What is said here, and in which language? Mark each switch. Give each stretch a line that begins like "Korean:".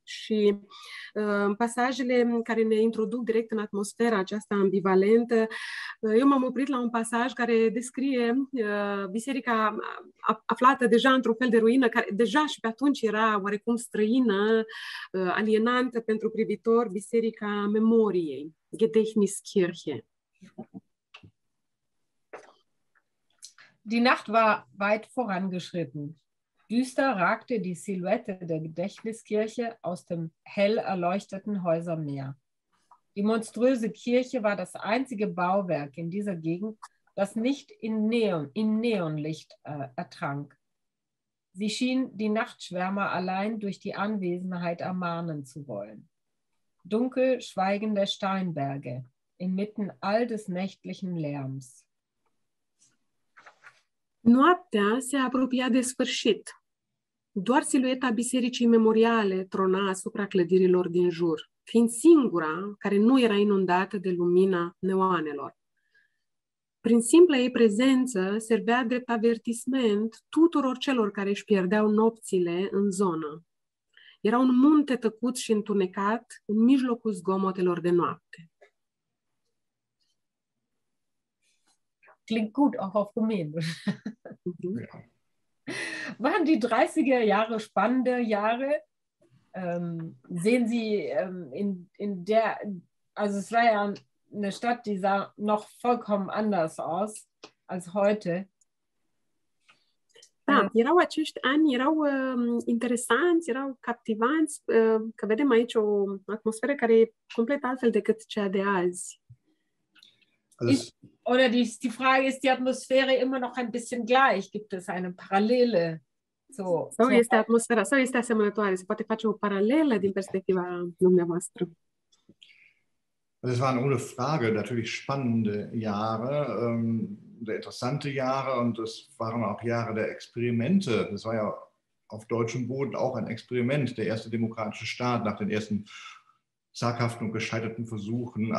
Romanian: Și pasajele care ne introduc direct în atmosfera aceasta ambivalentă, eu m-am oprit la un pasaj care descrie biserica aflată deja într-un fel de ruină, care deja și pe atunci era oarecum străină, alienantă pentru privitor, biserica memoriei, Gedächtniskirche.
German: Die Nacht war weit vorangeschritten. Düster ragte die Silhouette der Gedächtniskirche aus dem hell erleuchteten Häusermeer. Die monströse Kirche war das einzige Bauwerk in dieser Gegend, das nicht im Neonlicht ertrank. Sie schien die Nachtschwärmer allein durch die Anwesenheit ermahnen zu wollen. Dunkel schweigende Steinberge inmitten all des nächtlichen Lärms.
Romanian: Noaptea se apropia de sfârșit. Doar silueta bisericii memoriale trona asupra clădirilor din jur, fiind singura care nu era inundată de lumina neoanelor. Prin simpla ei prezență servea drept avertisment tuturor celor care își pierdeau nopțile în zonă. Era un munte tăcut și întunecat în mijlocul zgomotelor de noapte.
German: Klingt gut, auch auf Rumänisch. Ja. Waren die 30er Jahre spannende Jahre? Sehen Sie in der, also es war ja eine Stadt, die sah noch vollkommen anders aus als heute.
Romanian: Da, erau acești ani, erau interesanți, erau captivanți, că vedem aici o atmosferă care e complet altfel decât cea de azi.
German: Oder die Frage ist, die Atmosphäre immer noch ein bisschen gleich? Gibt es eine Parallele?
Romanian: Sau este atmosfera, sau este asemănătoare? Se poate face o paralelă din perspectiva dumneavoastră?
German: Es waren ohne Frage natürlich spannende Jahre, interessante Jahre, und es waren auch Jahre der Experimente. Das war ja auf deutschem Boden auch ein Experiment, der erste demokratische Staat nach den ersten zaghaften und gescheiterten Versuchen.